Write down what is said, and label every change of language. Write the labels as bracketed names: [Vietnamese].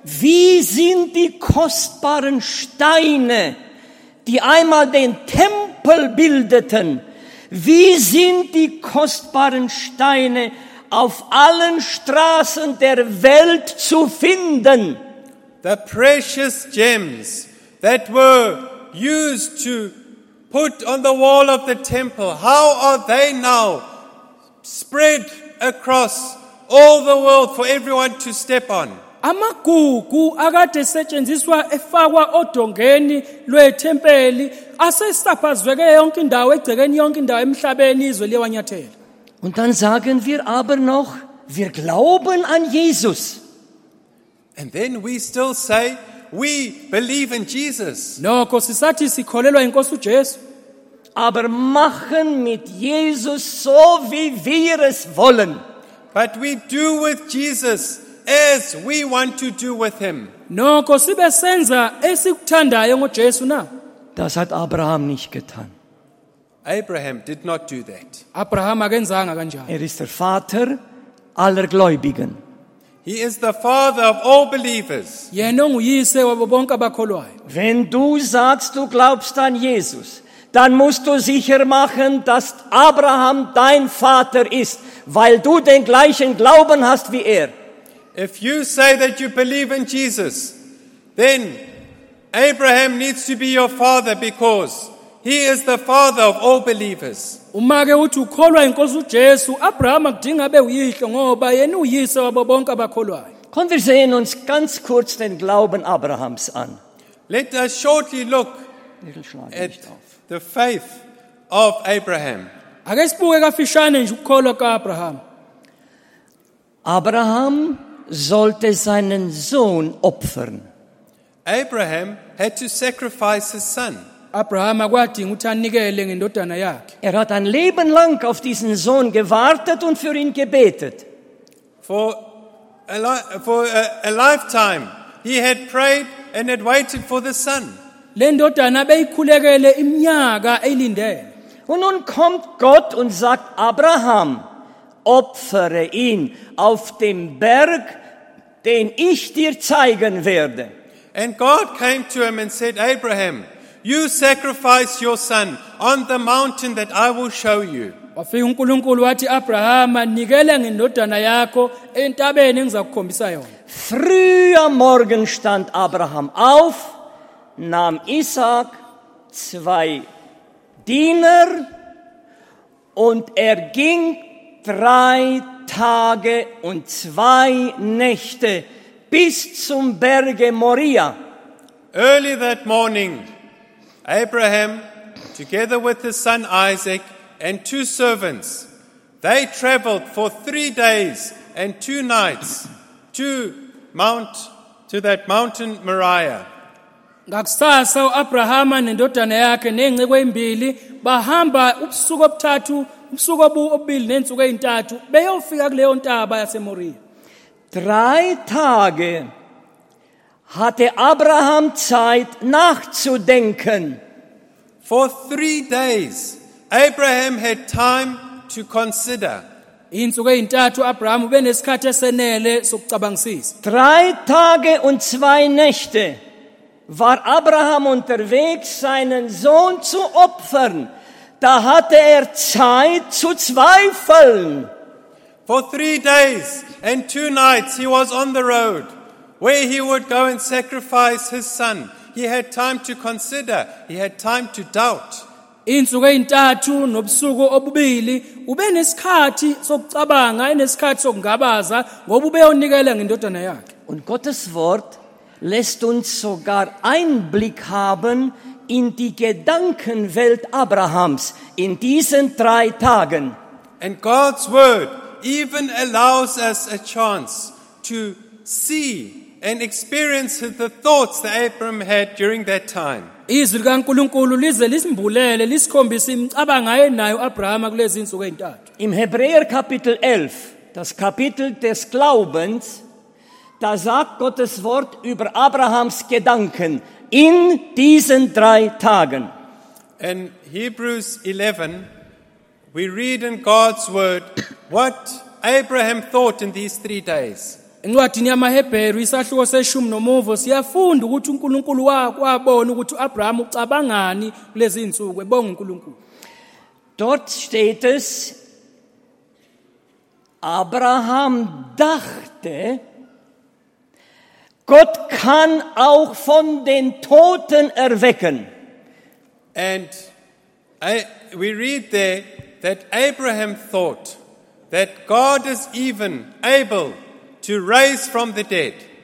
[German] Wie sind die kostbaren Steine, die einmal den Tempel bildeten? Wie sind die kostbaren Steine auf allen Straßen der Welt zu finden? [English] The precious gems that were used to put on the wall of the temple, how are they now spread across all the world for everyone to step on? [Zulu] Amagugu akade setshenziswa efakwa odongeni lwethempeli asesaphazweke yonke indawo egcekeni yonke indawo emhlabeni izwe liyawanyathela. [German] Und dann sagen wir aber noch, wir glauben an Jesus. [English] And then we still say, we believe in Jesus. [Zulu] Nokho sisathi sikholelwa inkosi uJesu. [German] Aber machen mit Jesus so wie wir es wollen. [English] But we do with Jesus as we want to do with him. [Zulu] Nokho sibe senza esikuthandayo ngoJesu na. [German] Das hat Abraham nicht getan. [English] Abraham did not do that. [Zulu] Abraham akenzanga kanjalo. [German] Er ist der Vater aller Gläubigen. [English] He is the father of all believers. [Zulu] Yena nguyise wabo bonke abakholwayo. [German] Wenn du sagst, du glaubst an Jesus, dann musst du sicher machen, dass Abraham dein Vater ist, weil du den gleichen Glauben hast wie er. [English] If you say that you believe in Jesus, then Abraham needs to be your father because he is the father of all believers. [Zulu] Umake uthi ukholwa inkosi uJesu, Abraham akudinga abe uyihlo ngoba yena uyise wabo bonke abakholwayo. [German] Können wir sehen uns ganz kurz den Glauben Abrahams an. [English] Let us shortly look at the faith of Abraham. [Zulu] Ake sibuke kafishane nje ukholwa kaAbraham. [German] Abraham sollte seinen Sohn opfern. [English] Abraham had to sacrifice his son. [Zulu] Abraham akwadinga ukuthi anikele ngendodana yakhe. [German] Er hat ein Leben lang auf diesen Sohn gewartet und für ihn gebetet. [English] For a lifetime he had prayed and had waited for the son. [Zulu] Lendodana beyikhulekele iminyaka elindele. [German] Und nun kommt Gott und sagt Abraham, opfere ihn auf dem Berg, den ich dir zeigen werde. [English] And God came to him and said, Abraham, you sacrifice your son on the mountain that I will show you. [Zulu] Wafika uNkulunkulu wathi Abraham, nikele ngendodana yakho entabeni engizakukhombisa yona. [German] Früh am Morgen stand Abraham auf, nahm Isaac, zwei Diener und er ging 3 Tage und 2 Nächte bis zum Berge Moria. [English] Early that morning, Abraham, together with his son Isaac and 2 servants, they traveled for 3 days and 2 nights to that mountain Moriah. [Zulu] Ngakusasa uAbraham nendodana yakhe nengcekwe imbili bahamba ubusuku obuthathu. [German] Drei Tage hatte Abraham Zeit nachzudenken. [English] For 3 days, Abraham had time to consider. [German] 3 Tage und 2 Nächte war Abraham unterwegs, seinen Sohn zu opfern. Da hatte er Zeit zu zweifeln. [English] For 3 days and 2 nights he was on the road where he would go and sacrifice his son. He had time to consider. He had time to doubt. [Zulu] insuku ezintathu nobusuku obubili ube nesikhathi sokucabanga nesikhathi sokungabaza ngoba ubeyonikela ngendodana yakhe. [German] Und Gottes Wort lässt uns sogar Einblick haben in die Gedankenwelt Abrahams in diesen drei Tagen. [English] And God's word even allows us a chance to see and experience the thoughts that Abraham had during that time. [Zulu] Izwi likaNkulunkulu lize lisimbulele lisikhombise imicabango ayenayo u-Abraham kulezi insuku ezintathu. [German] Im Hebräer Kapitel 11, das Kapitel des Glaubens, da sagt Gottes Wort über Abrahams Gedanken in diesen drei Tagen. [English] In Hebrews 11, we read in God's word what Abraham thought in these 3 days. [Zulu] Encwadini yamaHebheru isahluko seshumi nomuvo siyafunda ukuthi uNkulunkulu wabona ukuthi u-Abraham ucabangani kulezi insuku ebonga uNkulunkulu. [German] Dort steht es, Abraham dachte, Gott kann auch von den Toten erwecken. [English] And we read there that Abraham thought that God is even able to raise from the dead.